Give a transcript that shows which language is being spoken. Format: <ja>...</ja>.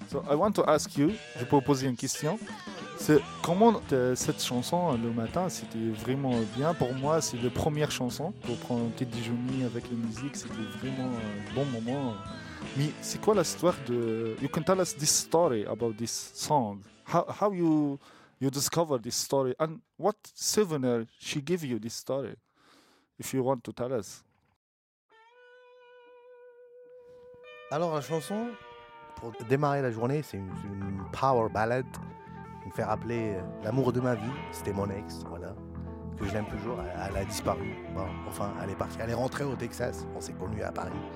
<en>I want to ask you,</en> <fr>je peux poser une question. C'est comment cette chanson le matin, c'était vraiment bien pour moi. C'est la première chanson pour prendre un petit déjeuner avec la musique. C'était vraiment un bon moment. Mais c'est quoi l'histoire de?</fr> <en>You can tell us this story about this song. How you discover this story and what souvenir she give you this story? If you want to tell us.</en> <fr>Alors la chanson pour démarrer la journée, c'est une power ballad. Il me fait rappeler l'amour de ma vie, c'était mon ex, voilà, que je l'aime toujours, elle a disparu. Bon, enfin, elle est partie, elle est rentrée au Texas, on s'est connus à Paris.</fr>